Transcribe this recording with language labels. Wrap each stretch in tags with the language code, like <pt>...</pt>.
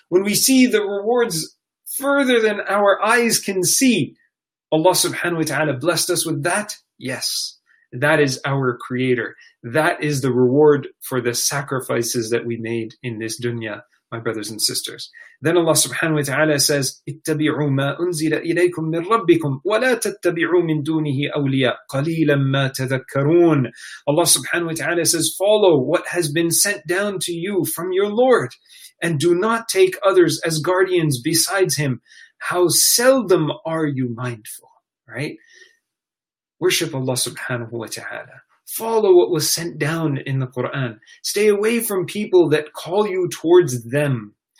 <en>When we see the rewards further than our eyes can see, Allah subhanahu wa ta'ala blessed us with that. Yes. That is our creator. That is the reward for the sacrifices that we made in this dunya, my brothers and sisters. Then Allah subhanahu wa ta'ala says,</en> <ar>اتَّبِعُوا مَا أُنزِلَ إِلَيْكُم مِّن رَبِّكُمْ وَلَا تَتَّبِعُوا مِن دُونِهِ أَوْلِيَا قَلِيلًا مَا تَذَكَّرُونَ.</ar> <en>Allah subhanahu wa ta'ala says, follow what has been sent down to you from your Lord and do not take others as guardians besides him. How seldom are you mindful, right? Worship Allah subhanahu wa ta'ala. Follow what was sent down in the Quran. Stay away from people that call you towards them.</en>